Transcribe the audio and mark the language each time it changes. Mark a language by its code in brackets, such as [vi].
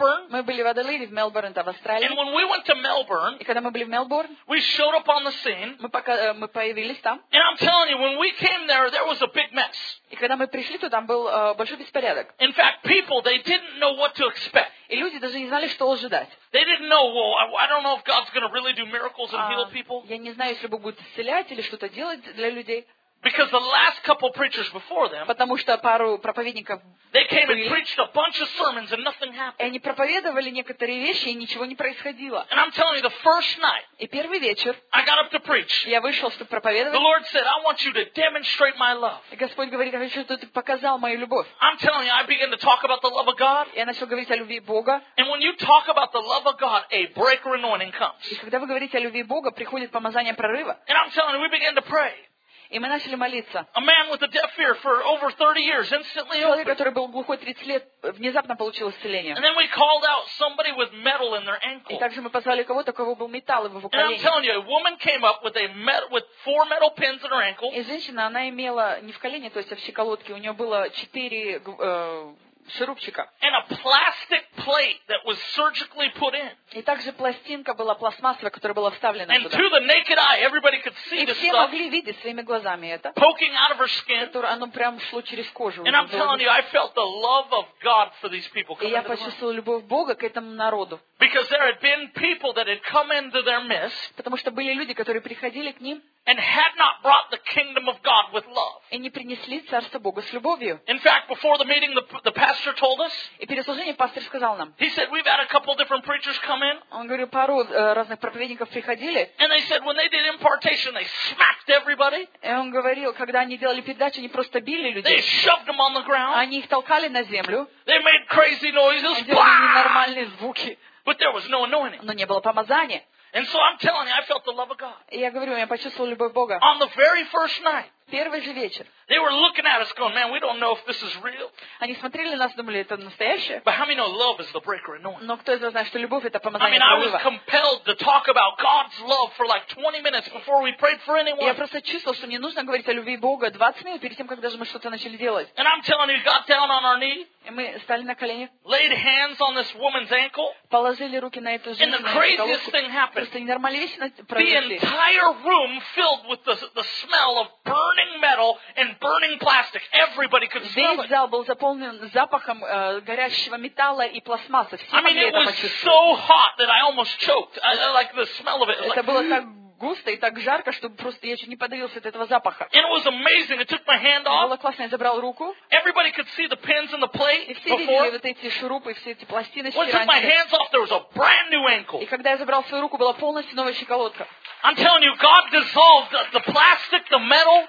[ru] Мы были в Аделаиде, в Мелбурне, в Австралии. [en] And when we went to Melbourne, [ru] и когда мы были в Мелбурн, [en] we showed up on the scene. [ru] Мы появились там. [en] And I'm telling you, when we came there, there was a big mess. [ru] И когда мы пришли туда, там был большой беспорядок. [en] In fact, people, they didn't know what to expect. [ru] И люди даже не знали, что ожидать. [en] They didn't know. Well, I don't know if God's going to really do miracles and heal people. [ru] Я не знаю, если Бог будет исцелять или что-то делать для людей. [en] Because the last couple preachers before them, [ru] потому что пару проповедников [en] they came and preached a bunch of sermons and nothing happened. [ru] И они проповедовали некоторые вещи и ничего не происходило. [en] And I'm telling you, the first night, [ru] и первый вечер, [en] I got up to preach. [ru] Я вышел, чтобы проповедовать. [en] The Lord said, I want you to demonstrate my love. [ru] И Господь говорит, я хочу, чтобы ты показал мою любовь. [en] I'm telling you, I began to talk about the love of God. [ru] Я начал говорить о любви Бога. [en] And when you talk about the love of God, a breaker anointing comes. [ru] И когда вы говорите о любви Бога, приходит помазание прорыва. [en] And I'm telling you, we began to pray. [ru] И мы начали молиться. [en] A man with a deaf ear for over 30 years instantly opened. [ru] Человек, который был глухой 30 лет, внезапно получил исцеление. [en] And then we called out somebody with metal in their ankle. [ru] И также мы позвали кого-то, у кого был металл в колене. [en] And I'm telling you, a woman came up with four metal pins in her ankle. [ru] И женщина, она имела не в колене, то есть а в щиколотке, у нее было четыре шурупчика. [en] And a plastic plate that was surgically put in. [ru] И также пластинка была пластмассовая, которая была вставлена туда. [en] And to the naked eye, everybody could see the stuff. [ru] И все могли видеть своими глазами это. [en] Poking out of her skin. [ru] Которое оно прям шло через кожу. [en] And I'm telling you, I felt the love of God for these people. [ru] И я почувствовала любовь Бога к этому народу. [en] Because there had been people that had come into their midst. [ru] Потому что были люди, которые приходили к ним. [en] And had not brought the kingdom of God with love. [ru] И не принесли царство Бога с любовью. [en] In fact, before the meeting, the pastor told us. [ru] И перед служением пастор сказал нам. [en] He said we've had a couple different preachers come in. [ru] Он говорил, пару разных проповедников приходили. [en] And they said when they did impartation, they smacked everybody. [ru] И он говорил, когда они делали передачу, они просто били людей. [en] They shoved them on the ground. [ru] Они их толкали на землю. [en] They made crazy noises. [ru] Они делали ненормальные звуки. [en] But there was no anointing. [ru] Но не было помазания. [en] And so I'm telling you, I felt the love of God. [ru] Я говорю, я почувствовал любовь Бога. [en] On the very first night. [ru] Первый же вечер. [en] They were looking at us, going, "Man, we don't know if this is real." [ru] Они смотрели на нас, думали, это настоящее. [en] But how many know love is the breaker anointing? [ru] Но кто из вас знает, что любовь это помазание? [en] I mean, I was compelled to talk about God's love for like 20 minutes before we prayed for anyone. [ru] Я просто чувствовал, что мне нужно говорить о любви Бога 20 минут перед тем, как даже мы что-то начали делать. [en] And I'm telling you, got down on our knee. [ru] И мы стали на колени. [en] Laid hands on this woman's ankle. [ru] Положили руки на эту женщину. [en] And the craziest thing happened. [ru] Просто ненормальные вещи произошли. [en] The entire room filled with the smell of burning metal and burning plastic. Everybody could smell it. [ru] Весь зал был заполнен запахом горящего металла и пластмассы. [en] I mean, it was so hot that I almost choked. I like the smell of it. [ru] Это было так густо и так жарко, что просто я чуть не подавился от этого запаха. [en] It was amazing. I took my hand off. [ru] Было классно, я забрал руку. [en] Everybody could see the pins and the plate. [ru] И все видели вот эти шурупы и все эти пластиночки. [en] When I took my hands off, there was a brand new ankle. [ru] И когда я забрал свою руку, была полностью новая щиколотка. [en] I'm telling you, God dissolved the plastic, the metal.